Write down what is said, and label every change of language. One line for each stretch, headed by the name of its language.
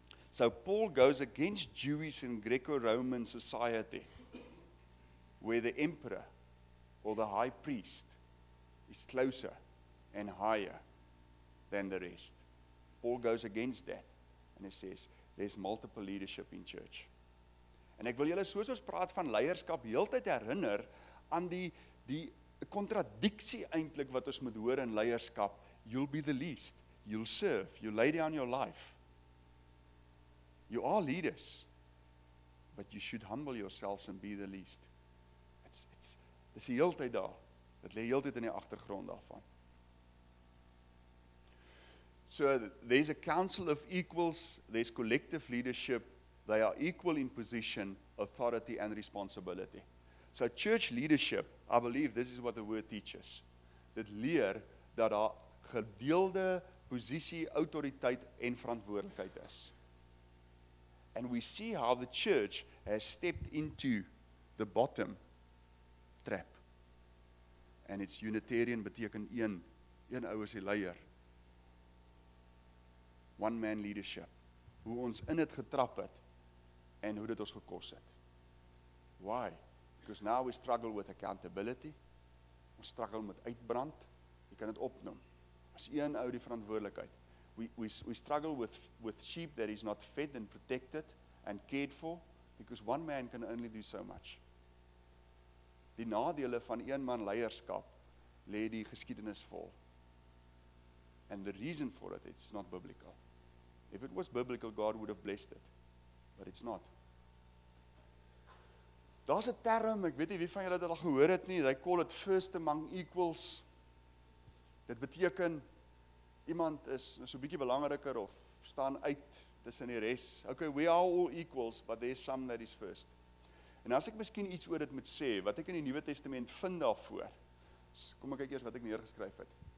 English: So Paul goes against Jewish and Greco-Roman society where the emperor or the high priest is closer and higher than the rest. Paul goes against that and he says there's multiple leadership in church.
Afrikaans: En ek wil julle soos ons praat van leierskap heeltyd herinner aan die kontradiksie eintlik wat ons moet hoor in leierskap.
English: You'll be the least, you'll serve, you lay down your life. You are leaders, but you should humble yourselves and be the least.
Afrikaans: Dis die heeltyd daar. Dit lê heeltyd in die agtergrond daarvan.
English: So there's a council of equals, there's collective leadership, they are equal in position, authority and responsibility. So church leadership, I believe this is what the word teaches.
Afrikaans: Dit leer dat daar gedeelde posisie, autoriteit en verantwoordelikheid is.
English: And we see how the church has stepped into the bottom trap. And it's unitarian
Afrikaans: beteken een ouers die leier.
English: One man leadership.
Afrikaans: Hoe ons in het getrap het en hoe dit ons gekos het. Why?
English: Because now we struggle with accountability.
Afrikaans: Ons struggle met uitbrand. Jy kan dit opnoem. As een ou die verantwoordelikheid.
English: We struggle with sheep that is not fed and protected and cared for because one man can only do so much.
Afrikaans: Die nadele van een man leierskap lê die geskiedenis vol.
English: And the reason for it, it's not biblical. If it was biblical, God would have blessed it. But it's not.
Afrikaans: Daar's 'n term, ek weet nie wie van julle dit al gehoor het nie,
English: they call it first among equals.
Afrikaans: Dit beteken iemand is so 'n bietjie belangriker of staan uit tussen die res.
English: Okay, we are all equals, but there's some that is first.
Afrikaans: En as ek miskien iets oor dit moet sê, wat ek in die Nuwe Testament vind daarvoor, kom ek kyk eers wat ek neergeskryf het.